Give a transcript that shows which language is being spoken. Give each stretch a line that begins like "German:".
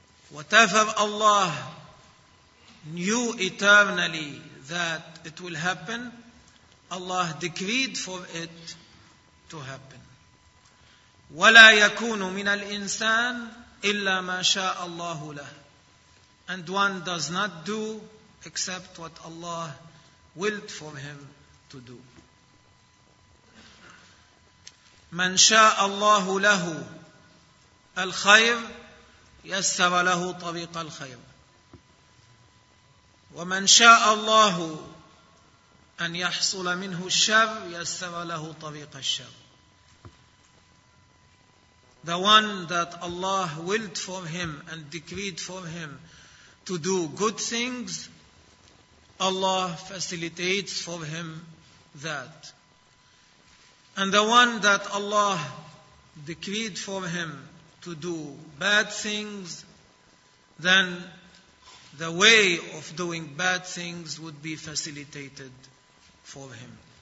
English: Whatever Allah knew eternally that it will happen, Allah decreed for it to happen.
Arabic: وَلَا يَكُونُ مِنَ الْإِنسَانِ إِلَّا مَا شَاءَ اللَّهُ لَهُ.
English: And one does not do except what Allah willed for him to do.
Arabic: من شاء الله له الخير يسر له طريق الخير ومن شاء الله أن يحصل منه الشر يسر له طريق الشر.
English: The one that Allah willed for him and decreed for him to do good things, Allah facilitates for him that. And the one that Allah decreed for him to do bad things, then the way of doing bad things would be facilitated for him.